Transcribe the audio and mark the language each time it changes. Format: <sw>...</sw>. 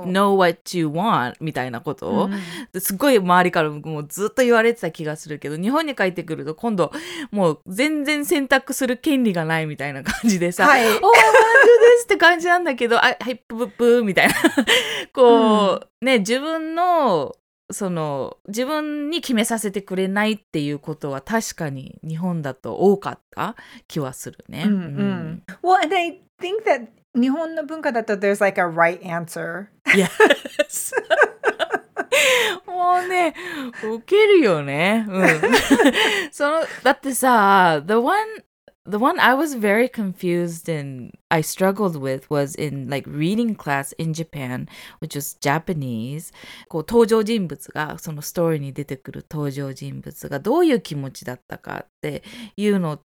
<en>know what you want,</en> <ja>みたいなことを、すごい周りからもずっと言われてた気がするけど、日本に帰ってくると今度もう全然選択する権利がないみたいな感じでさ、はい、</ja> <en>Oh, I want to do this!</en> <ja>って感じなんだけど、あ、はい、ぷぷぷみたいな。こう、ね、自分の、その自分に決めさせてくれないっていうことは確かに日本だと多かった気はするね。</ja> <en>Well, and I think that</en> <ja>日本の文化だと</ja> <en>there's like a right answer. Yes.</en> <ja>もうね、受けるよね。そのだってさ、</ja> <en>the one I was very confused and I struggled with was in like reading class in Japan, which was Japanese.</en> <ja>こう登場人物がそのストーリーに出てくる登場人物がどういう気持ちだったかっていうの</ja>